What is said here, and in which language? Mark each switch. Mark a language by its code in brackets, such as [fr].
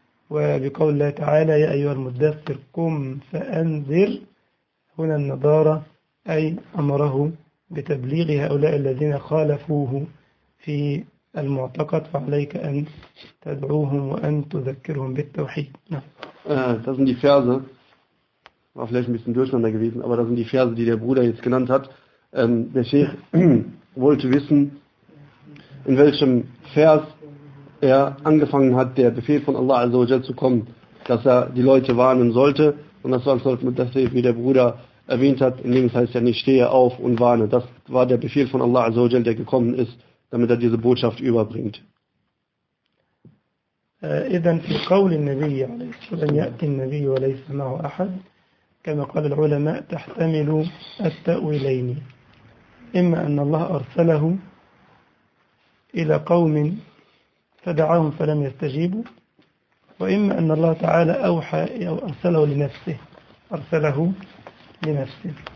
[ar] وبقول الله تعالى يا أيها المدثر قم فأنذر. هنا النضارة أي أمره بتبليغ هؤلاء الذين خالفوه في المعتقد فعليك أن تدعوهم وأن تذكرهم بالتوحيد. [de] Das sind die Verse, war vielleicht ein bisschen durcheinander gewesen, aber das sind die Verse, die der Bruder jetzt genannt hat. Der Sheikh wollte wissen, in welchem Vers er angefangen hat, der Befehl von Allah Azza wa Jalla zu kommen, dass er die Leute warnen sollte. Und das war so, dass er, wie der Bruder erwähnt hat, in dem es heißt ja nicht, stehe auf und warne. Das war der Befehl von Allah Azza wa Jalla, der gekommen ist, damit er diese Botschaft überbringt. [ar] إذن في قول النبي عليه الصلاة والسلام يأتي النبي وليس معه أحد كما قال العلماء تحتمل التأويلين، إما أن الله أرسله إلى قوم فدعاهم فلم يستجيبوا، وإما أن الله تعالى أوحى أو أرسله لنفسه، أرسله لنفسه.